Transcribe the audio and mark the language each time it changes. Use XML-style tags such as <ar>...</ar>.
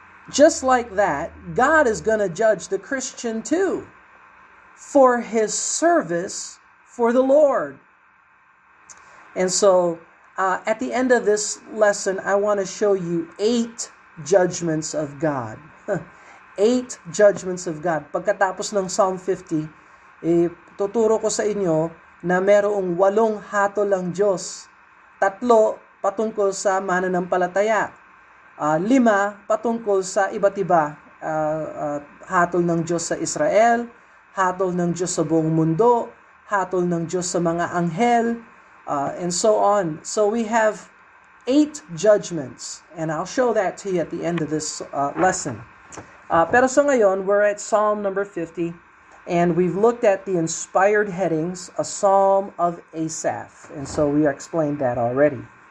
<en>Just like that, God is going to judge the Christian too for his service for the Lord. And so at the end of this lesson, I want to show you 8 judgments of God. 8 judgments of God.</en> <tl>Pagkatapos ng Psalm 50, tuturo ko sa inyo na merong 8 hatol ng Diyos. 3 patungkol sa mananampalataya. 5 patungkol sa iba't iba hatol ng Diyos sa Israel, hatol ng Diyos sa buong mundo, hatol ng Diyos sa mga anghel,</tl> <en>and so on. So we have 8 judgments, and I'll show that to you at the end of this lesson.</en> <tl>Pero so ngayon,</tl> <en>we're at Psalm number 50, and we've looked at the inspired headings, a Psalm of Asaph, and so we explained that already.</en>